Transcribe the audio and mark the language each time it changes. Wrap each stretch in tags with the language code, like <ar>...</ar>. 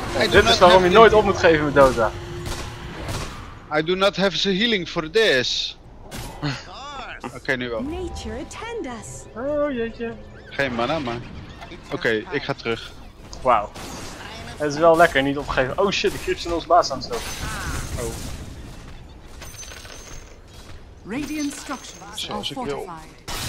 <nl>Dit is waarom je nooit op moet geven met Dota.</nl> <en>I do not have the healing for this.</en> <nl>Oké, nu wel.</nl> <en>Nature attend us.</en> <nl>Oh jeetje. Geen mana, maar. Oké, ik ga terug. Wauw. Het is wel lekker, niet opgeven. Oh shit, de Crypt is ons baas aan het zo. Oh.</nl> <en>Radiant structures are fortified.</en>